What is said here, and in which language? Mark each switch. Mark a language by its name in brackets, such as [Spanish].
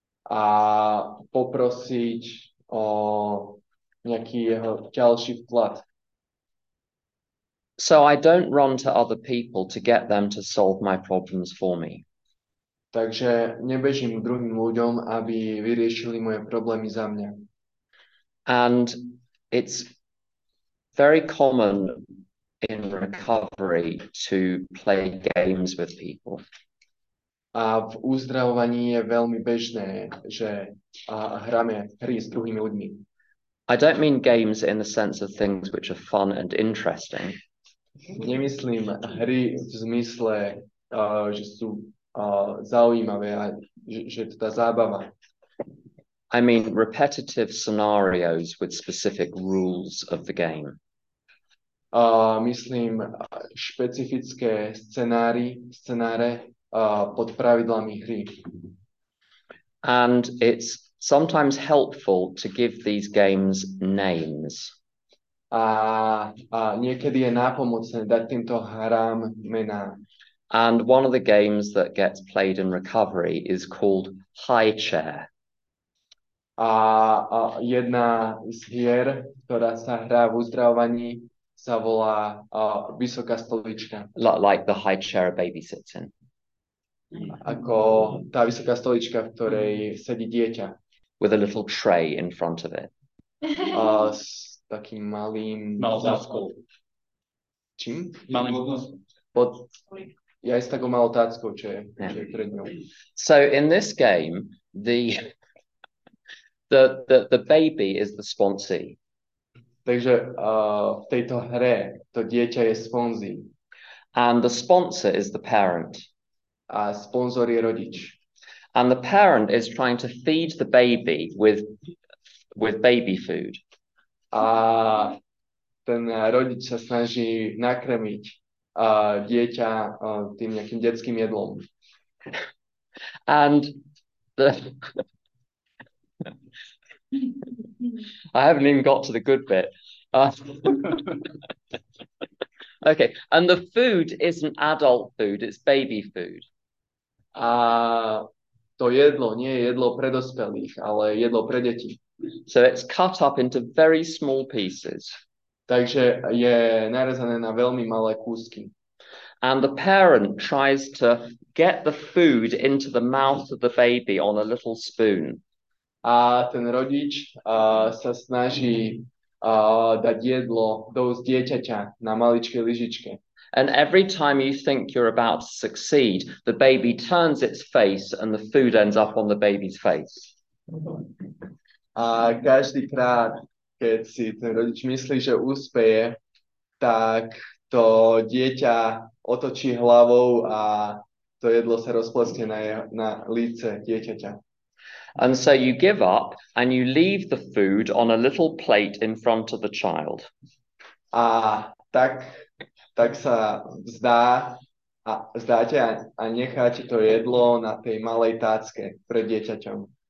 [Slovak] A poprosiť o nejaký jeho ďalší vklad. [English] So I don't run to other people to get them to solve my problems for me. [Slovak] Takže nebežím druhým ľuďom, aby vyriešili moje problémy za mňa. [English] And it's very common in recovery to play games with people. [Slovak] A v uzdravovaní je veľmi bežné, že hráme hry s druhými ľuďmi. [English] I don't mean games in the sense of things which are fun and interesting. [Slovak] Nemyslím hry v zmysle, že sú zaujímavé a že je to tá zábava. [English] I mean repetitive scenarios with specific rules of the game. [Slovak] Myslím špecifické scenáre pod pravidlami hry. [English] And it's sometimes helpful to give these games names. [Slovak] A niekedy je nápomocné dať týmto hrám mená. [English] And one of the games that gets played in recovery is called high chair. [Slovak] A jedna z hier, ktorá sa hrá v uzdravovaní, sa volá vysoká stolička. [English] Like the high chair a baby sits in. [Slovak] Ako tá vysoká stolička, v ktorej sedí dieťa. [English] With a little tray in front of it. [Slovak] S takým malým... Malotáckou. Čím? Malým. Pod... Ja s takou malotáckou, čo je, yeah. Čo je pred ňou. [English] So in this game, the baby is the sponsee. [Slovak] Takže v tejto hre to dieťa je sponzí. [English] And the sponsor is the parent. [Slovak] A sponzor je rodič. [English] And the parent is trying to feed the baby with baby food. [Slovak] A ten rodič sa snaží nakrmiť dieťa tým nejakým detským jedlom. [English] And the... I haven't even got to the good bit. Okay, and the food isn't adult food, it's baby food. [Slovak] A to jedlo nie je jedlo pre dospelých, ale jedlo pre deti. [English] So it's cut up into very small pieces. [Slovak] Takže je narezané na veľmi malé kúsky. [English] And the parent tries to get the food into the mouth of the baby on a little spoon. [Slovak] A ten rodič sa snaží dať jedlo do úst dieťaťa na maličkej lyžičke. [English] And every time you think you're about to succeed, the baby turns its face and the food ends up on the baby's face. [Slovak] A každýkrát, keď si ten rodič myslí, že úspeje, tak to dieťa otočí hlavou a to jedlo sa rozplesne na lice dieťaťa. [English] And so you give up and you leave the food on a little plate in front of the child. [Slovak] A tak, tak sa vzdá a vzdáte a necháte to jedlo na tej malej tácke pred dieťaťom.